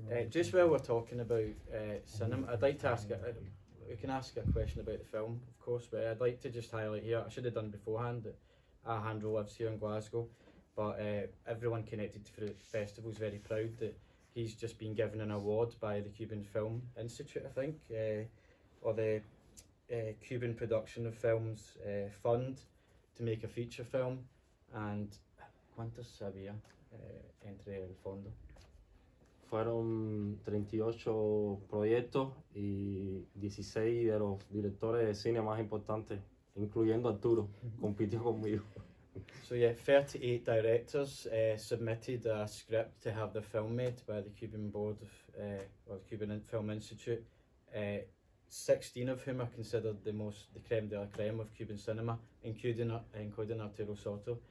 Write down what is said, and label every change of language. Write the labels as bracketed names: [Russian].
[English] just while we're talking about cinema, I'd like to ask we can ask a question about the film, of course, but I'd like to just highlight here, I should have done beforehand, that Alejandro lives here in Glasgow, but everyone connected to the festival is very proud that he's just been given an award by the Cuban Film Institute, I think, or the Cuban Production of Films Fund to make a feature film. [Spanish] And ¿cuántos había entre el fondo? Fueron 38 proyectos y 16 de los directores de cine más importantes, incluyendo Arturo, compitió conmigo. [English] So yeah, 38 directors submitted a script to have the film made by the Cuban Board of, or the Cuban Film Institute, 16 of whom are considered the most, the creme de la creme of Cuban cinema, including Arturo Sotto.